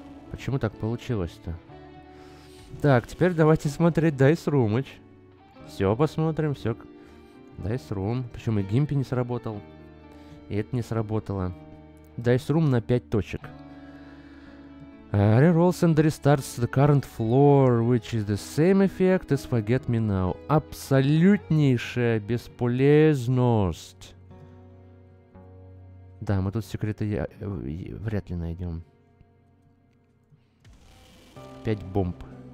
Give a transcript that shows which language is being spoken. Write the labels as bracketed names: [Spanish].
[Russian] Почему так получилось-то? Так, теперь давайте смотреть Dice Roomage. Все посмотрим, все. Dice Room. Почему и Гимпи не сработал? И это не сработало. Dice Room на 5 точек. [English] Rerolls and restarts the current floor, which is the same effect as forget me now. [Russian] Абсолютнейшая бесполезность. Да, мы тут секреты вряд ли найдем. 5 бомб.